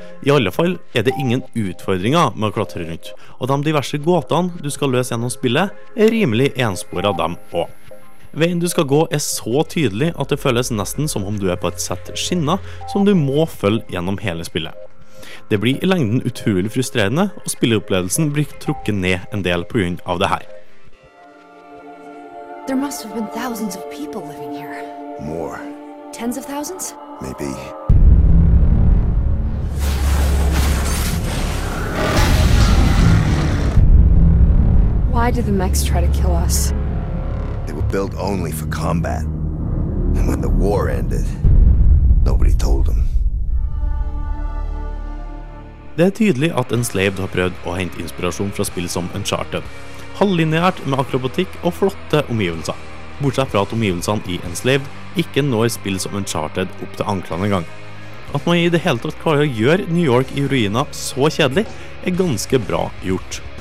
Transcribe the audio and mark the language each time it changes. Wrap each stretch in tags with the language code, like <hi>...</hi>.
<no>I alle fall er det ingen utfordringer med å klatre rundt, og de diverse gåtene du skal løse gjennom spillet er rimelig enspor av dem også. Veien du skal gå er så tydelig at det føles nesten som om du er på et sett skinner som du må følge gjennom hele spillet. Det blir i lengden utrolig frustrerende, og spilleopplevelsen blir trukket ned en del på grunn av det her.</no> <en>There must have been thousands of people living here. More. Tens of thousands? Maybe. Why did the mechs try to kill us? They were built only for combat. And when the war ended, nobody told them.</en> <no>Det er tydelig at Enslaved har prøvd å hente inspirasjon fra spill som Uncharted. Halvlinjært med akrobatikk og flotte omgivelser. Bortsett fra at omgivelsene i Enslaved ikke når spill som Uncharted opp til anklene en gang. At man i det hele tatt klarer å gjøre New York i ruina så kjedelig, er ganske bra gjort.</no>